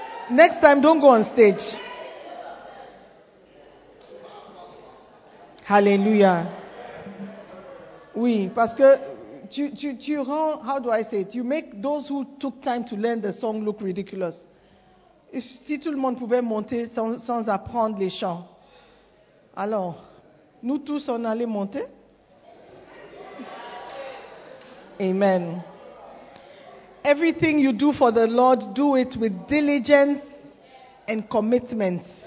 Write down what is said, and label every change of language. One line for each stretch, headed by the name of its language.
English: Next time, don't go on stage.
French: Hallelujah. Oui, parce que tu rends,
English: how do I say it? You make those who took time to learn the song look ridiculous.
French: Si tout le monde pouvait monter sans apprendre les chants. Alors, nous tous, on allait monter? Amen.
English: Everything you do for the Lord, do it with diligence and commitment.